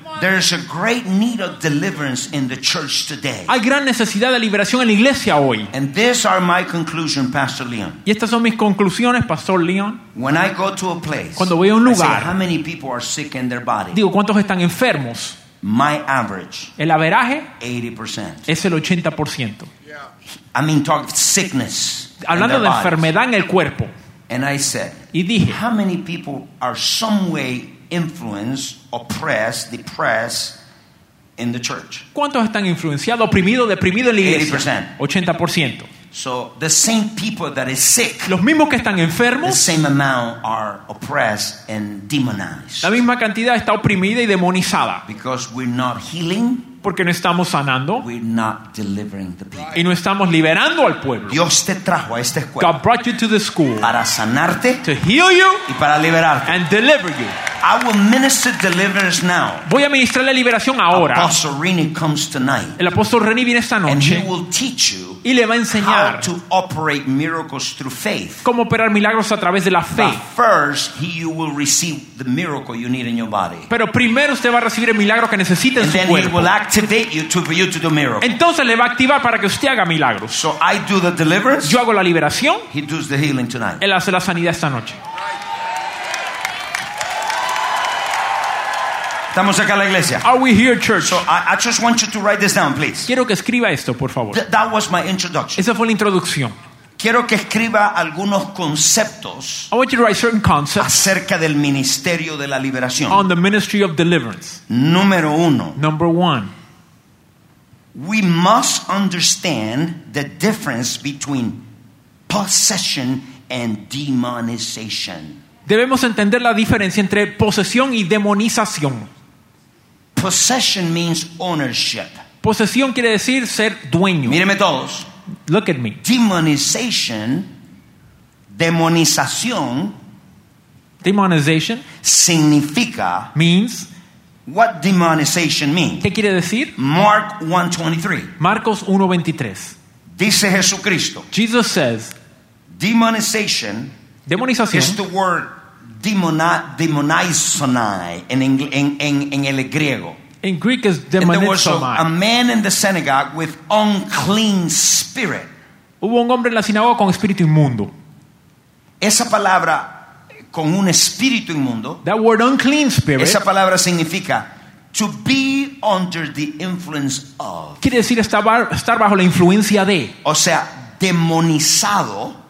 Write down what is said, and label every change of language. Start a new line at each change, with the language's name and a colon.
English: There is a great need of deliverance in the church today.
Spanish: Hay gran necesidad de liberación en la iglesia hoy.
English: And these are my conclusion, Pastor Leon.
Spanish: Y estas son mis conclusiones, Pastor Leon.
English: When I go to a place,
Spanish: cuando voy a un lugar,
English: I say, how many people are sick in their body?
Spanish: Digo, ¿cuántos están enfermos?
English: My average,
Spanish: el averaje,
English: 80%.
Spanish: Es el 80%.
English: Yeah. I mean, talk sickness.
Spanish: Hablando
English: in their
Spanish: de enfermedad
English: bodies.
Spanish: En el cuerpo.
English: And I said,
Spanish: y dije,
English: how many people are some way influenced, oppressed, depressed in the church?
Spanish: ¿Cuántos están influenciados, oprimidos, deprimidos en la iglesia?
English: 80%. So the same people that is sick,
Spanish: los mismos que están enfermos,
English: the same amount are oppressed and demonized.
Spanish: La misma cantidad está oprimida y demonizada.
English: Because we're not healing,
Spanish: porque no estamos sanando,
English: we're not delivering the people.
Spanish: Y no estamos liberando al pueblo. Dios te trajo a esta escuela.
English: God brought you to the school,
Spanish: para sanarte,
English: to heal you,
Spanish: y para liberarte,
English: and deliver you. I will minister deliverance now.
Spanish: Voy a ministrar la liberación ahora.
English: Apostle Rene comes tonight.
Spanish: El apóstol Rene viene esta noche.
English: And he will teach you,
Spanish: y le va a enseñar,
English: how to operate miracles through faith.
Spanish: Cómo operar milagros a través de la fe.
English: But first, you will receive the miracle you need in your body.
Spanish: Pero primero usted va a recibir el milagro que necesita en
English: and
Spanish: su
English: then
Spanish: cuerpo.
English: He will activate you to, for you to do miracles.
Spanish: Entonces le va a activar para que usted haga milagros.
English: So I do the deliverance.
Spanish: Yo hago la liberación.
English: He does the healing tonight.
Spanish: Él hace la sanidad esta noche. Estamos acá en la iglesia.
English: Are we here, church? So I just want you to write this down, please.
Spanish: Quiero que escriba esto, por favor.
English: That was my introduction.
Spanish: Esa fue la introducción. Quiero que escriba algunos conceptos.
English: I want you to write certain concepts
Spanish: acerca del ministerio de la liberación.
English: On the ministry of deliverance.
Spanish: Número uno.
English: Number one. We must understand the difference between possession and demonization.
Spanish: Debemos entender la diferencia entre posesión y demonización.
English: Possession means ownership.
Spanish: Posesión quiere decir ser dueño. Míreme todos.
English: Look at me. Demonization, demonización. Demonization
Spanish: significa
English: means what demonization means.
Spanish: ¿Qué quiere decir?
English: Mark 1:23.
Spanish: Marcos 1:23. Dice Jesucristo.
English: Jesus says, demonization.
Spanish: Demonización
English: is the word demonizonai in
Spanish: el griego.
English: In Greek is demonizomai. A man in the synagogue with unclean spirit.
Spanish: Hubo un hombre en la sinagoga con espíritu inmundo. Esa palabra con un espíritu inmundo.
English: That word unclean spirit.
Spanish: Esa palabra significa
English: to be under the influence of.
Spanish: Quiere decir estar bajo la influencia de. O sea, demonizado.